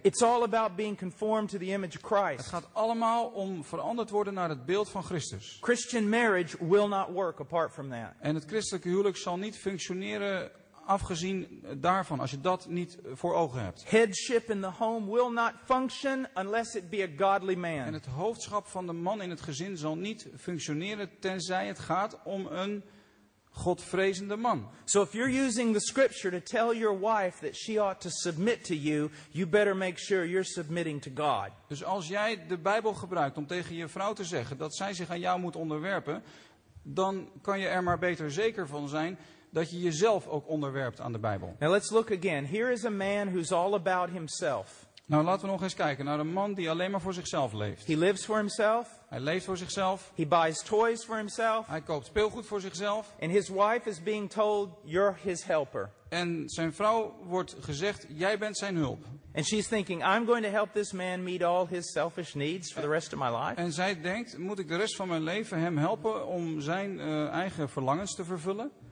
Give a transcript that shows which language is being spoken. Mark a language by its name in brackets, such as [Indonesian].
[English] It's all about being conformed to the image of Christ. [Dutch] Het gaat allemaal om veranderd worden naar het beeld van Christus. [English] Christian marriage will not work apart from that. [Dutch] En het christelijke huwelijk zal niet functioneren afgezien daarvan, als je dat niet voor ogen hebt. [English] Headship in the home will not function unless it be a godly man. [Dutch] En het hoofdschap van de man in het gezin zal niet functioneren tenzij het gaat om een godvrezende man. [English] So if you're using the scripture to tell your wife that she ought to submit to you, you better make sure you're submitting to God. [Dutch] Dus als jij de Bijbel gebruikt om tegen je vrouw te zeggen dat zij zich aan jou moet onderwerpen, dan kan je er maar beter zeker van zijn dat je jezelf ook onderwerpt aan de Bijbel. [English] Now let's look again. Here is a man who's all about himself. [Dutch] Nou, laten we nog eens kijken naar een man die alleen maar voor zichzelf leeft. [English] He lives for himself. [Dutch] Hij leeft voor zichzelf. [English] He buys toys for himself. [Dutch] Hij koopt speelgoed voor zichzelf. [English] And his wife is being told, "You're his helper." [Dutch] En zijn vrouw wordt gezegd, jij bent zijn hulp. [English] And she's thinking, I'm going to help this man meet all his selfish needs for the rest of my life. [Dutch] En zij denkt, moet ik de rest van mijn leven hem helpen om zijn eigen verlangens te vervullen?